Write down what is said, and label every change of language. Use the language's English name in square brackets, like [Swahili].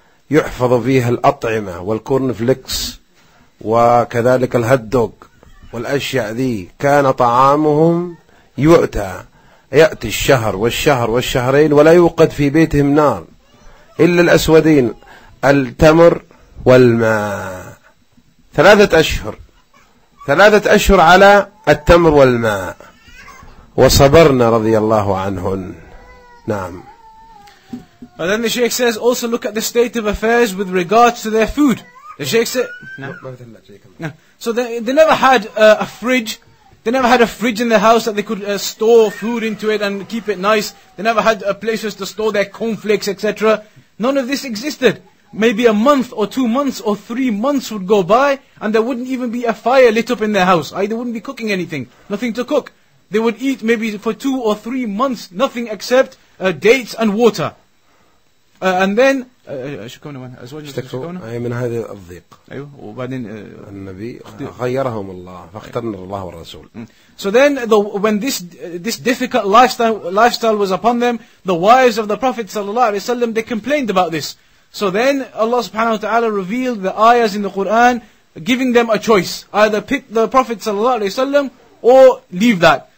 [Arabic] يحفظ فيها الأطعمة والكورنفليكس وكذلك الهدوغ والأشياء ذي، كان طعامهم يؤتى، يأتي الشهر والشهر والشهرين ولا يوقد في بيتهم نار إلا الأسودين، التمر والماء، ثلاثة أشهر على التمر والماء، وصبرنا رضي الله عنهن. نعم. [English] But then the Sheikh says, also look at the state of affairs with regards to their food. The Sheikh said, no. So they never had a fridge. They never had a fridge in the house that they could store food into it and keep it nice. They never had places to store their cornflakes, etc. None of this existed. Maybe a month or 2 months or 3 months would go by and there wouldn't even be a fire lit up in their house. They wouldn't be cooking anything. Nothing to cook. They would eat maybe for 2 or 3 months nothing except dates and water. And then... [Arabic] من هذا الضيق. أيوه. وبعدين النبي غيرهم الله فاخترنا الله والرسول. [English] So then when this difficult lifestyle was upon them, the wives of the Prophet صلى الله عليه وسلم, they complained about this. So then Allah subhanahu wa ta'ala revealed the ayahs in the Quran giving them a choice. Either pick the Prophet صلى الله عليه وسلم or leave that.